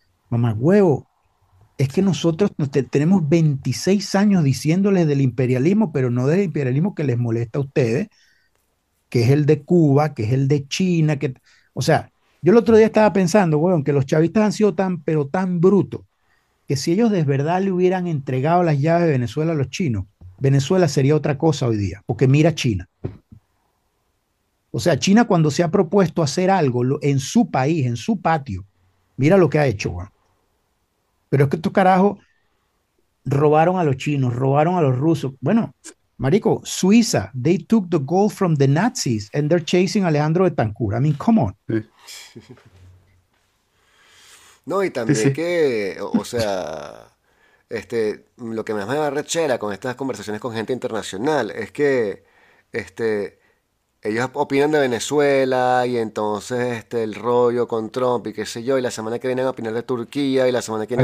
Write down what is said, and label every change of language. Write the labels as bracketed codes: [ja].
[es] Mamá huevo, es que nosotros tenemos 26 años diciéndoles del imperialismo, pero no del imperialismo que les molesta a ustedes, que es el de Cuba, que es el de China, que, o sea, yo el otro día estaba pensando, huevón, que los chavistas han sido tan, pero tan brutos, que si ellos de verdad le hubieran entregado las llaves de Venezuela a los chinos, Venezuela sería otra cosa hoy día, porque mira China. O sea, China cuando se ha propuesto hacer algo en su país, en su patio, mira lo que ha hecho, weón. Pero es que estos carajos robaron a los chinos, robaron a los rusos. Bueno, marico, Suiza, [en] they took the gold from the Nazis and they're chasing Alejandro Betancourt. I mean, come on. [es] No, y Sí, también sí. que, o sea, lo que más me da rechera con estas conversaciones con gente internacional es que ellos opinan de Venezuela y entonces el rollo con Trump y qué sé yo, y la semana que vienen a opinar de Turquía y la semana que vienen